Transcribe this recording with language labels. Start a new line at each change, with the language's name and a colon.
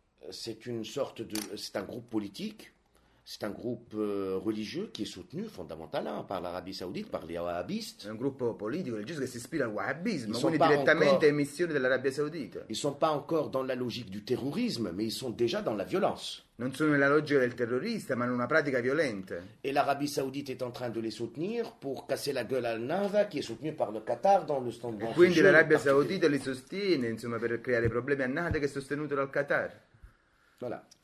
French: C'est un groupe politique, c'est un groupe religieux qui est soutenu fondamentalement par l'Arabie Saoudite, par les wahhabistes.
Italian: È un gruppo politico religioso che si ispira al wahhabismo, quindi direttamente ancora, emissione dell'Arabia Saudita.
French: Ils sont pas encore dans la logique du terrorisme, mais ils sont déjà dans la violence.
Italian: Non sono nella logica del terrorista, ma in una pratica violenta. E l'Arabia Saudita è
French: in train de les soutenir pour casser la gueule al Nava,
Italian: che è
French: soutenu par le Qatar dans le stand.
Italian: E quindi l'Arabia Saudita li sostiene, insomma, per creare problemi al Nava, che è sostenuto dal Qatar.
French: Voilà.